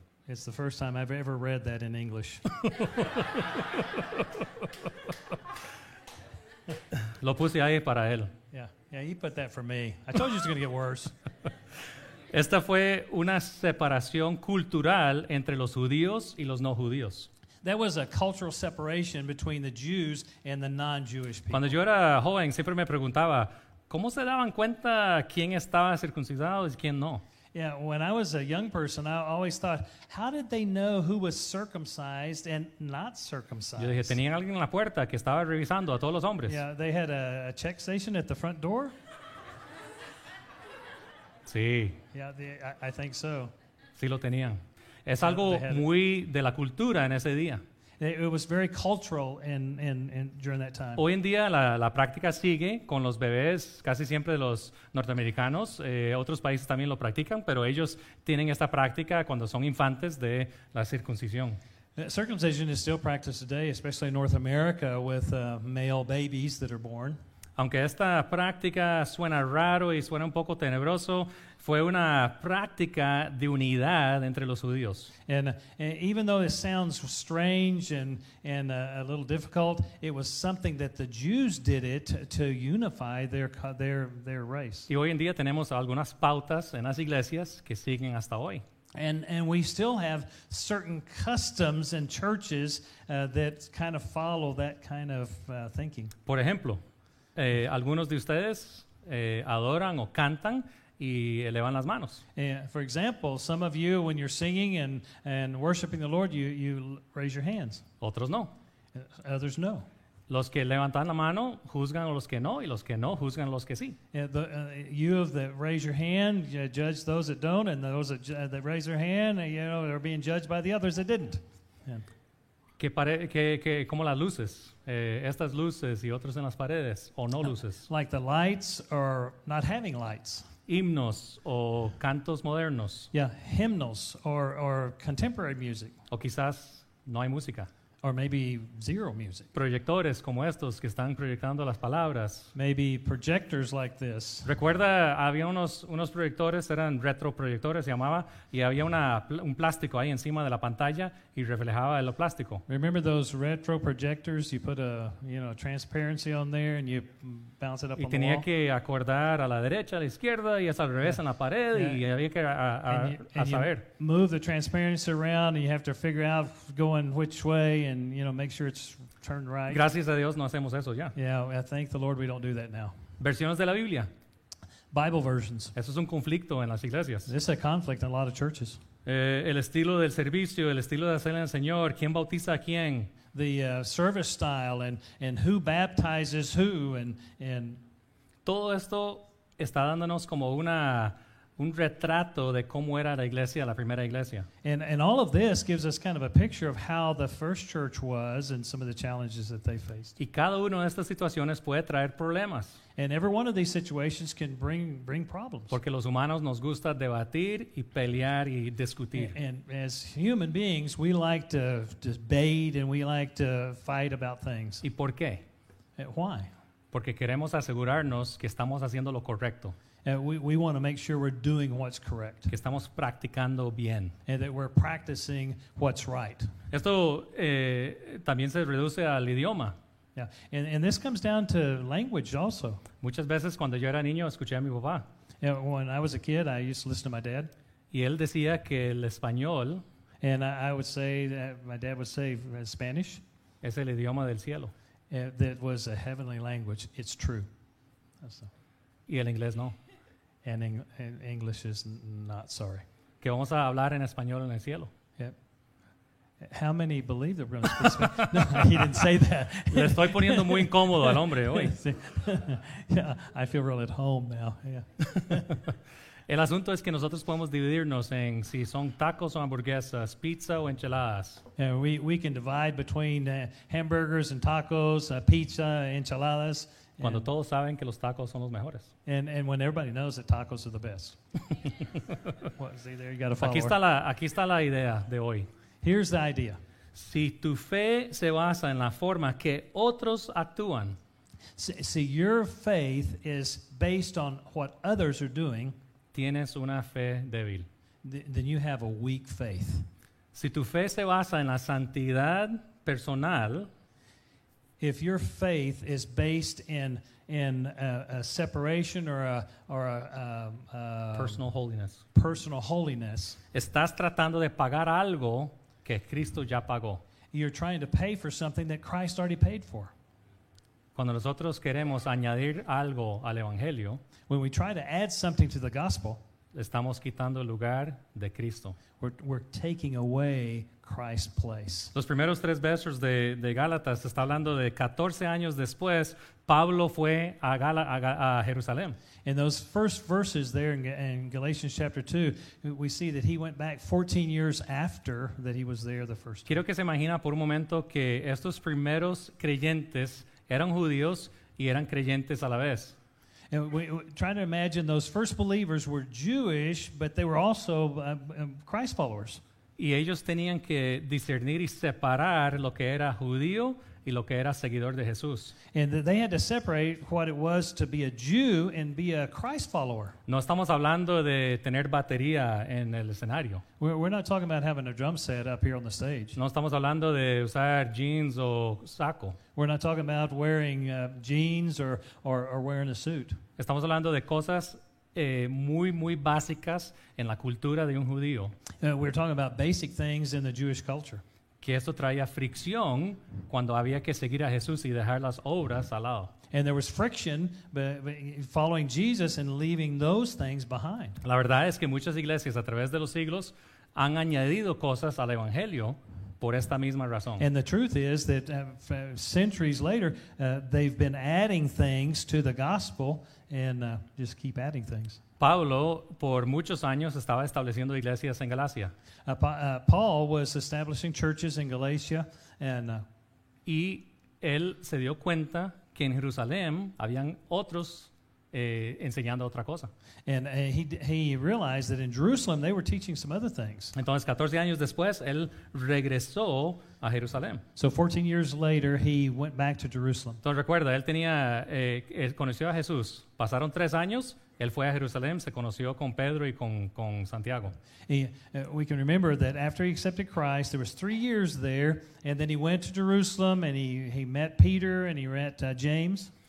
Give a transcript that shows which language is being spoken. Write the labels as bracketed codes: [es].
[en] It's the first time I've ever read that in English. [es] Lo puse ahí para él. [en] Yeah, he put that for me. I told you it's going to get worse. [es] Esta fue una separación cultural entre los judíos y los no judíos. [en] That was a cultural separation between the Jews and the non-Jewish people. [es] Cuando yo era joven, siempre me preguntaba, ¿cómo se daban cuenta quién estaba circuncidado y quién no? [en] Yeah, when I was a young person, I always thought, how did they know who was circumcised and not circumcised? [es] Yo dije, tenían alguien en la puerta que estaba revisando a todos los hombres. [en] Yeah, they had a check station at the front door. [es] Sí. [en] Yeah, I think so. [es] Sí lo tenían. Es algo muy de la cultura en ese día. [en] It was very cultural in during that time. [es] Hoy en día la práctica sigue con los bebés, casi siempre los norteamericanos. Otros países también lo practican, pero ellos tienen esta práctica cuando son infantes de la circuncisión. [en] Circumcision is still practiced today, especially in North America, with male babies that are born. [es] Aunque esta práctica suena raro y suena un poco tenebroso, fue una práctica de unidad entre los judíos. [en] And even though it sounds strange and a little difficult, it was something that the Jews did it to unify their race. [es] Y hoy en día tenemos algunas pautas en las iglesias que siguen hasta hoy. [en] And we still have certain customs and churches that kind of follow that kind of thinking. [es] Por ejemplo, algunos de ustedes adoran o cantan y elevan las manos. [en] For example, some of you, when you're singing and worshiping the Lord, you raise your hands. [es] Otros no. [en] Others no. [es] Los que levantan la mano juzgan a los que no, y los que no juzgan a los que sí. [en] You that raise your hand, you judge those that don't, and those that raise their hand, you know, they're being judged by the others that didn't. [es] Que como las luces. Estas luces y otras en las paredes, o no luces. [en] Like the lights or not having lights. [es] Himnos o cantos modernos. [en] Yeah, hymnals or contemporary music. [es] O quizás no hay música. [en] Or maybe zero music. [es] Proyectores como estos que están proyectando las palabras. [en] Maybe projectors like this. [es] Recuerda, había unos proyectores, eran retroproyectores, se llamaba, y había un plástico ahí encima de la pantalla y reflejaba el plástico. [en] Remember those retro projectors? You put a, transparency on there and you bounce it up on the wall. [es] Y tenía que acordar a la derecha, a la izquierda y hasta al revés en la pared y había que saber. [en] Move the transparency around and you have to figure out going which way. And make sure it's turned right. [es] Gracias a Dios no hacemos eso ya. [en] Yeah, I thank the Lord we don't do that now. [es] Versiones de la Biblia. [en] Bible versions. [es] Eso es un conflicto en las iglesias. [en] This is a conflict in a lot of churches. [es] El estilo del servicio, el estilo de hacer al Señor, ¿quién bautiza a quién? [en] The service style and who baptizes who and [es] todo esto está dándonos como un retrato de cómo era la iglesia, la primera iglesia. [en] And all of this gives us kind of a picture of how the first church was and some of the challenges that they faced. [es] Y cada una de estas situaciones puede traer problemas. [en] And every one of these situations can bring problems. [es] Porque los humanos nos gusta debatir y pelear y discutir. [en] And as human beings, we like to debate and we like to fight about things. [es] ¿Y por qué? [en] Why? [es] Porque queremos asegurarnos que estamos haciendo lo correcto. [en] And we want to make sure we're doing what's correct. [es] Que estamos practicando bien. [en] And that we're practicing what's right. [es] Esto también se reduce al idioma. [en] Yeah, and this comes down to language also. [es] Muchas veces cuando yo era niño escuché a mi papá. [en] When I was a kid, I used to listen to my dad. [es] Y él decía que el español. [en] And I would say that my dad would say Spanish. [es] Es el idioma del cielo. [en] That was a heavenly language. It's true. [es] Y el inglés no. [en] And English is not, sorry. [es] Que vamos a hablar en español en el cielo. [en] Yep. How many believe that we're going to speak Spanish? No, he didn't say that. [es] Le estoy poniendo muy incómodo al hombre hoy. [en] Yeah, I feel real at home now. Yeah. [es] El asunto es que nosotros podemos dividirnos en si son tacos o hamburguesas, pizza o enchiladas. [en] Yeah, we can divide between hamburgers and tacos, pizza, enchiladas. [es] Cuando todos saben que los tacos son los mejores. [en] And when everybody knows that tacos are the best. Well, see, there you got a follower. [es] Aquí está la idea de hoy. [en] Here's the idea. [es] Si tu fe se basa en la forma que otros actúan. [en] See, your faith is based on what others are doing. [es] Tienes una fe débil. [en] Then you have a weak faith. [es] Si tu fe se basa en la santidad personal. [en] If your faith is based in a separation or personal holiness, [es] estás tratando de pagar algo que Cristo ya pagó. [en] You're trying to pay for something that Christ already paid for. [es] Cuando nosotros queremos añadir algo al evangelio, [en] when we try to add something to the gospel, [es] estamos quitando el lugar de Cristo. [en] We're taking away Christ's place. [es] Los primeros tres versos de Gálatas está hablando de 14 años después, Pablo fue a Jerusalén. [en] In those first verses there in Galatians chapter 2, we see that he went back 14 years after that he was there the first time. [es] Quiero que se imagina por un momento que estos primeros creyentes eran judíos y eran creyentes a la vez. [en] And we're trying to imagine those first believers were Jewish, but they were also Christ followers. [es] Y ellos tenían que discernir y separar lo que era judío y lo que era seguidor de Jesús. [en] And they had to separate what it was to be a Jew and be a Christ follower. [es] No estamos hablando de tener batería en el escenario. [en] We're not talking about having a drum set up here on the stage. [es] No estamos hablando de usar jeans o saco. [en] We're not talking about wearing jeans or wearing a suit. [es] Estamos hablando de cosas muy, muy básicas en la cultura de un judío. [en] We're talking about basic things in the Jewish culture. [es] Que esto traía fricción cuando había que seguir a Jesús y dejar las obras al lado. [en] And there was friction following Jesus and leaving those things behind. [es] La verdad es que muchas iglesias a través de los siglos han añadido cosas al evangelio por esta misma razón. [en] And the truth is that centuries later, they've been adding things to the gospel and just keep adding things. [es] Pablo, por muchos años, estaba estableciendo iglesias en Galacia. [en] Paul was establishing churches in Galatia. [es] Y él se dio cuenta que en Jerusalén habían otros enseñando otra cosa. [en] And he realized that in Jerusalem they were teaching some other things. [es] Entonces, 14 años después, él regresó a Jerusalén. [en] So 14 years later, he went back to Jerusalem. [es] Entonces, recuerda, él tenía, él conoció a Jesús. Pasaron 3 años. Él fue a Jerusalén, se conoció con Pedro y con Santiago. [en] We can remember that after he accepted Christ, there was 3 years there, and then he went to Jerusalem, and he met Peter, and he met James.